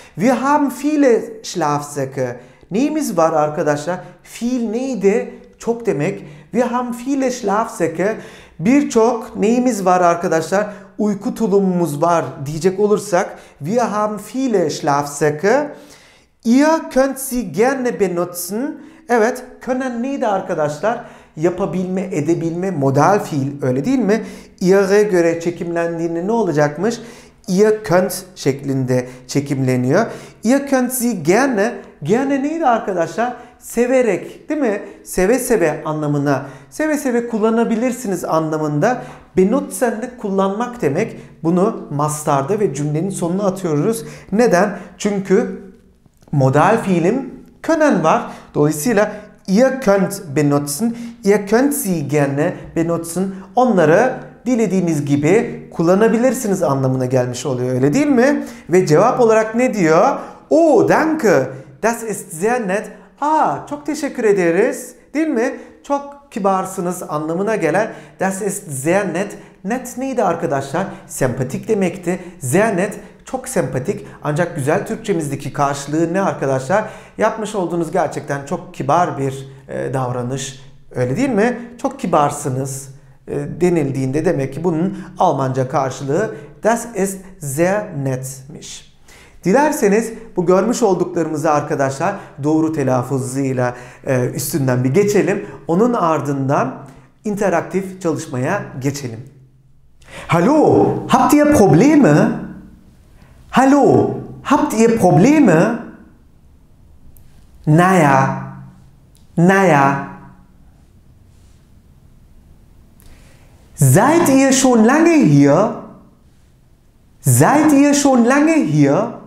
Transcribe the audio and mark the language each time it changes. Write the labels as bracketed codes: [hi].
[de] Wir haben viele Schlafsäcke. [tr] Neyimiz var arkadaşlar? Viel neydi? Çok demek. [de] Wir haben viele Schlafsäcke. [tr] Birçok neyimiz var arkadaşlar? Uyku tulumumuz var diyecek olursak. [de] Wir haben viele Schlafsäcke. Ihr könnt sie gerne benutzen. [tr] Evet, können neydi arkadaşlar? Yapabilme, edebilme, modal fiil, öyle değil mi? Ihre göre çekimlendiğinde ne olacakmış? Ihr könnt şeklinde çekimleniyor. [de] Ihr könnt sie gerne, gerne [tr] neydi arkadaşlar? Severek, değil mi? Seve seve anlamına, seve seve kullanabilirsiniz anlamında. Benutzen de kullanmak demek. Bunu mastarda ve cümlenin sonuna atıyoruz. Neden? Çünkü modal fiilim können var. Dolayısıyla [de] ihr könnt benutzen, ihr könnt sie gerne benutzen. [tr] Onları dilediğiniz gibi kullanabilirsiniz anlamına gelmiş oluyor. Öyle değil mi? Ve cevap olarak ne diyor? [de] Oh, danke. Das ist sehr nett. Aa, [tr] çok teşekkür ederiz. Değil mi? Çok kibarsınız anlamına gelen [de] das ist sehr nett. [tr] Nett neydi arkadaşlar? Sempatik demekti. [de] Sehr nett. [tr] Çok sempatik. Ancak güzel Türkçemizdeki karşılığı ne arkadaşlar? Yapmış olduğunuz gerçekten çok kibar bir davranış. Öyle değil mi? Çok kibarsınız denildiğinde demek ki bunun Almanca karşılığı [de] das ist sehr [tr] nettmiş. Dilerseniz bu görmüş olduklarımızı arkadaşlar doğru telaffuzuyla üstünden bir geçelim. Onun ardından interaktif çalışmaya geçelim. [de] Hallo, habt ihr Probleme? Hallo, habt ihr Probleme? Naja, naja. Seid ihr schon lange hier? Seid ihr schon lange hier?